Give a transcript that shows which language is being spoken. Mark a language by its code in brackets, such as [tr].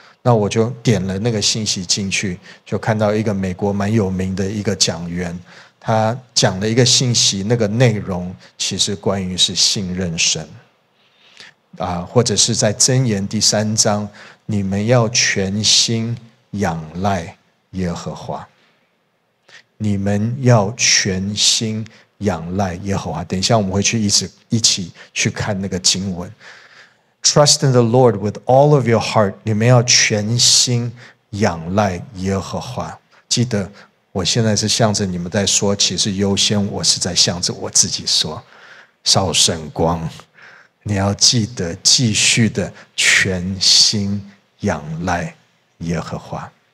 [zh] 那我就点了那个信息进去，就看到一个美国蛮有名的一个讲员，他讲了一个信息，那个内容其实关于是信任神啊，或者是在箴言第三章，你们要全心仰赖耶和华，你们要全心仰赖耶和华。等一下我们会去一起去看那个经文。 [en] Trust in the Lord with all of your heart. [zh] 你们要全心仰赖耶和华。记得我现在是向着你们在说，其实优先我是在向着我自己说。少圣光，你要记得继续的全心仰赖耶和华。